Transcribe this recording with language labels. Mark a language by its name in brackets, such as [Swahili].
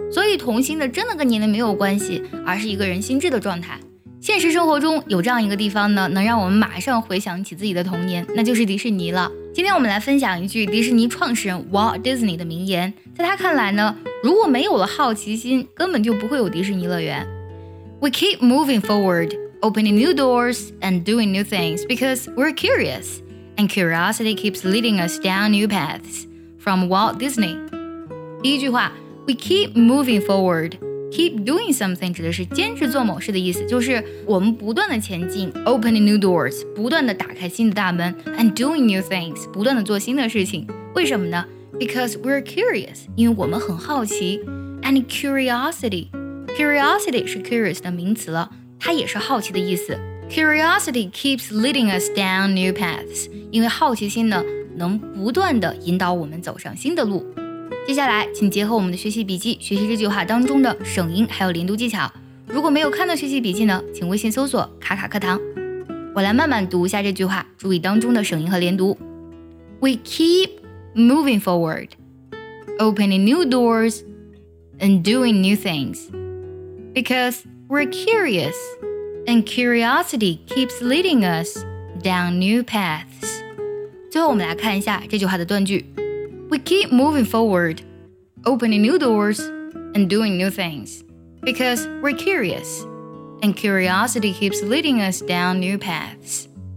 [Chinese] 所以童心的真的跟年龄没有关系，而是一个人心智的状态。现实生活中有这样一个地方呢，能让我们马上回想起自己的童年，那就是迪士尼了。今天我们来分享一句迪士尼创始人 Walt Disney 的名言。在他看来呢，如果没有了好奇心，根本就不会有迪士尼乐园。 [English] We keep moving forward, opening new doors and doing new things because we're curious, and curiosity keeps leading us down new paths. From Walt Disney。 [Chinese] 第一句话， [English] We keep moving forwardKeep doing something [Chinese] 指的是坚持做某事的意思，就是我们不断的前进， [English] opening new doors [Chinese] 不断的打开新的大门， [English] and doing new things [Chinese] 不断的做新的事情。为什么呢？ [English] Because we're curious， [Chinese] 因为我们很好奇。 [English] And curiosity [Chinese] 是 curious 的名词了，它也是好奇的意思。 [English] Curiosity keeps leading us down new paths， [Chinese] 因为好奇心呢，能不断的引导我们走上新的路。接下来请结合我们的学习笔记学习这句话当中的省音还有连读技巧。如果没有看到学习笔记呢，请微信搜索卡卡课堂。我来慢慢读一下这句话，注意当中的省音和连读。 [English] We keep moving forward, opening new doors and doing new things because we're curious and curiosity keeps leading us down new paths. [Chinese] 最后我们来看一下这句话的断句。 [English] We keep moving forward, opening new doors and doing new things because we're curious and curiosity keeps leading us down new paths.